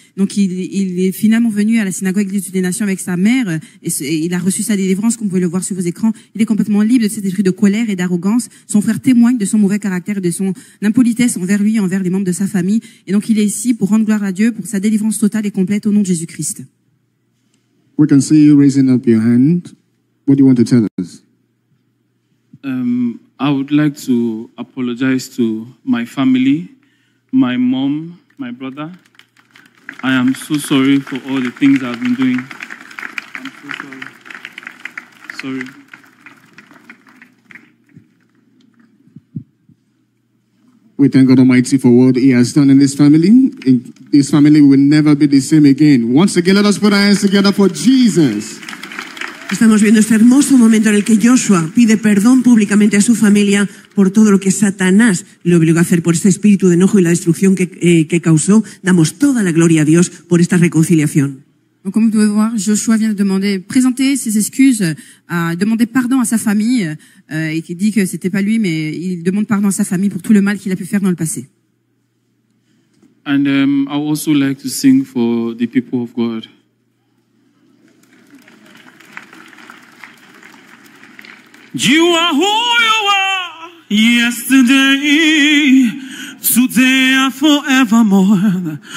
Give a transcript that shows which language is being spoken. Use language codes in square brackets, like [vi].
[fr] Donc il est finalement venu à la synagogue de des nations avec sa mère et il a reçu sa délivrance, comme vous pouvez le voir sur vos écrans. Il est complètement libre de cet esprit de colère et d'arrogance. Son frère témoigne de son mauvais caractère et de son impolitesse envers lui et envers les membres de sa famille. Et donc il est ici pour rendre gloire à Dieu pour sa délivrance totale et complète au nom de Jésus-Christ. [en] We can see you raising up your hand. What do you want to tell us? I would like to apologize to my family, my mom, my brother. I am so sorry for all the things I've been doing. I'm so sorry. Sorry. We thank God Almighty for what He has done in this family. In this family will never be the same again. Once again, let us put our hands together for Jesus. [es] Estamos viendo este hermoso momento en el que Joshua pide perdón públicamente a su familia por todo lo que Satanás le obligó a hacer, por este espíritu de enojo y la destrucción que causó. Damos toda la gloria a Dios por esta reconciliación. [fr] Donc, comme vous pouvez voir, Joshua vient de demander, présenter ses excuses, demander pardon à sa famille, et qui dit que c'était pas lui, mais il demande pardon à sa famille pour tout le mal qu'il a pu faire dans le passé. [en] And I would also like to sing for the people of God. You are who you are yesterday, today and forevermore.